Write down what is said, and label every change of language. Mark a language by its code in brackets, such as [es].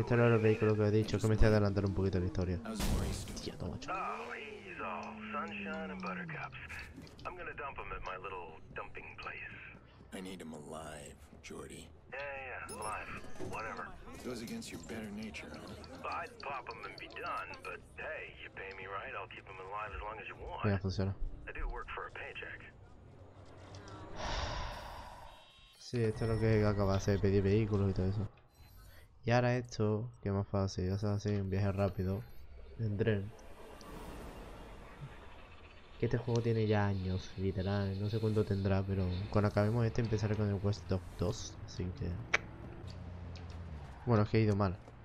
[es] Este era el vehículo que he dicho, que me esté adelantando un poquito la historia. Tía, toma, chico. [en] Oh, he's all sunshine and buttercups. I'm gonna dump him at my little dumping place. I need him alive, Jordy. Yeah, alive. Whatever. Goes against your better nature, huh? I'd pop him and be done, but hey, you pay me right, I'll keep him alive as long as you want. [es] Yeah, funciona. [en] I do work for a paycheck. [es] Sí, esto es lo que acaba de hacer, pedir vehículos y todo eso. Y ahora esto, que es más fácil, ya sabes, hacer un viaje rápido en tren. Que este juego tiene ya años, literal, no sé cuánto tendrá, pero cuando acabemos este empezaré con el Quest Dog 2, así que... Bueno, es que he ido mal.